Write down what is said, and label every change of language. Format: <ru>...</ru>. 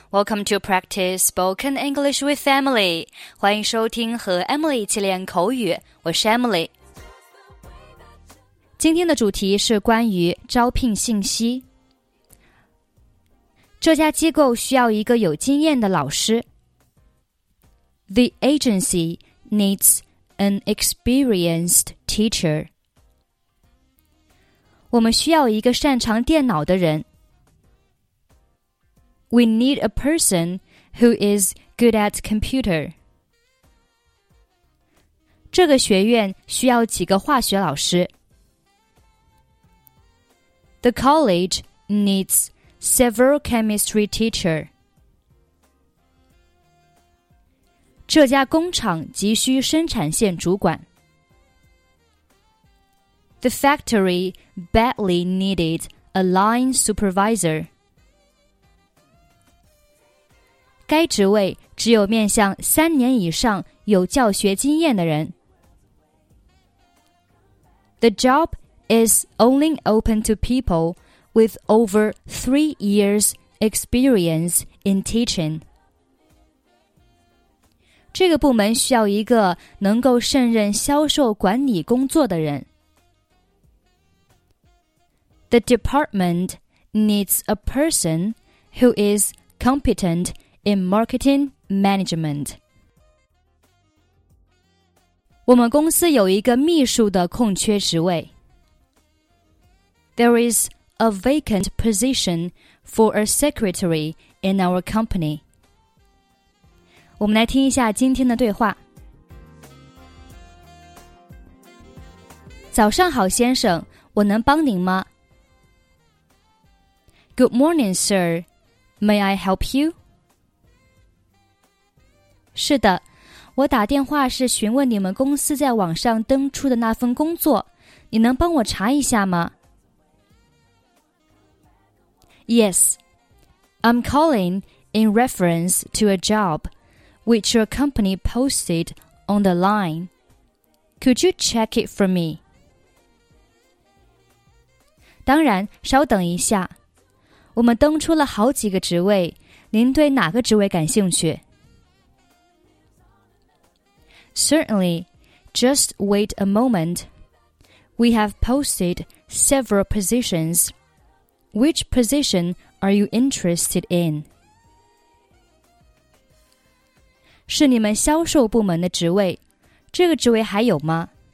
<en>Welcome to Practice Spoken English with Emily.</en> <zh>欢迎收听和 Emily 一起练口语。我是 Emily。今天的主题是关于招聘信息。这家机构需要一个有经验的老师。</zh> <en>The agency needs an experienced teacher.</en> <zh>我们需要一个擅长电脑的人。</zh> <en>We need a person who is good at computer.</en> <zh>这个学院需要几个化学老师。</zh> <en>The college needs several chemistry teachers.</en> <zh>这家工厂急需生产线主管。</zh> <en>The factory badly needed a line supervisor.</en> <zh>该职位只有面向三年以上有教学经验的人。</zh> <en>The job is only open to people with over 3 years experience in teaching.</en> <zh>这个部门需要一个能够胜任销售管理工作的人。</zh> <en>The department needs a person who is competentIn marketing management.</en> <zh>我们公司有一个秘书的空缺职位。</zh> <en>There is a vacant position for a secretary in our company.</en> <zh>我们来听一下今天的对话。早上好，先生，我能帮您吗？</zh> <en>Good morning, sir. May I help you?</en> <zh>是的，我打电话是询问你们公司在网上登出的那份工作，你能帮我查一下吗？</zh> <en>Yes, I'm calling in reference to a job which your company posted on the line. Could you check it for me?</en> <zh>当然，稍等一下，我们登出了好几个职位，您对哪个职位感兴趣？</zh> <en>Certainly, just wait a moment. We have posted several positions. Which position are you interested in?</en> <zh>是你们销售部门的职位，这个职位还有吗？</zh>